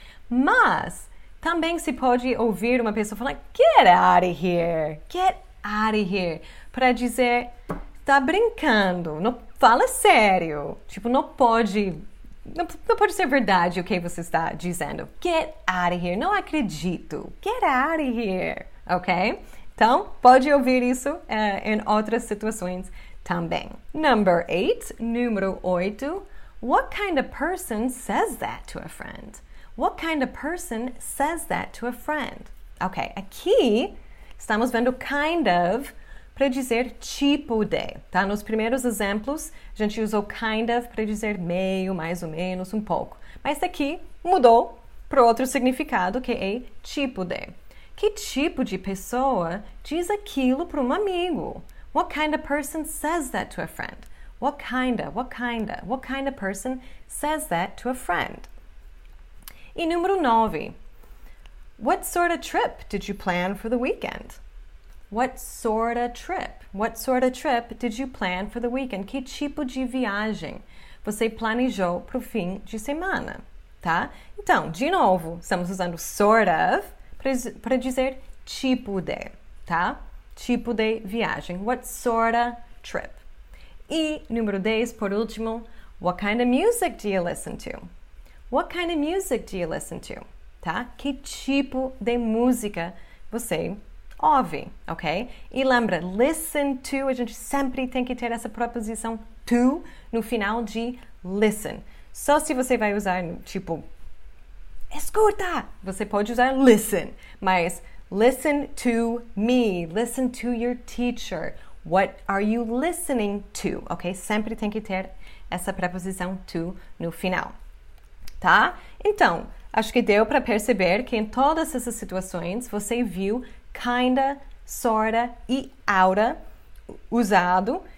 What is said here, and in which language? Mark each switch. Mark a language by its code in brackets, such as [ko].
[pt] Mas também se pode ouvir uma pessoa falar [en] get out of here, [pt] para dizer tá brincando, não fala sério, tipo não pode ser verdade o que você está dizendo, get out of here, não acredito, get out of here, ok? Então pode ouvir isso em outras situações também. [en] Number 8, [pt] número 8, [en] What kind of person says that to a friend? What kind of person says that to a friend? [pt] Okay, aqui estamos vendo kind of para dizer tipo de. Tá? Nos primeiros exemplos, a gente usou kind of para dizer meio, mais ou menos, um pouco. Mas aqui mudou para outro significado, que é tipo de. Que tipo de pessoa diz aquilo para um amigo? [en] What kind of person says that to a friend? What kind of person says that to a friend? [pt] E número 9. [en] What sort of trip did you plan for the weekend? What sort of trip did you plan for the weekend? [pt] Que tipo de viagem você planejou para o fim de semana? Tá? Então, de novo, estamos usando sort of para dizer tipo de, tá? Tipo de viagem. [en] What sort of trip? [pt] E número 10, por último, [en] what kind of music do you listen to? What kind of music do you listen to? [pt] Tá? Que tipo de música você ouve, ok? E lembra, listen to, a gente sempre tem que ter essa preposição to no final de listen. Só se você vai usar, tipo, escuta, você pode usar listen. [en] Mas listen to me, listen to your teacher. What are you listening to? Ok? [pt] Sempre tem que ter essa preposição to no final. Tá? Então, acho que deu para perceber que em todas essas situações você viu kinda, sorta e outa usado.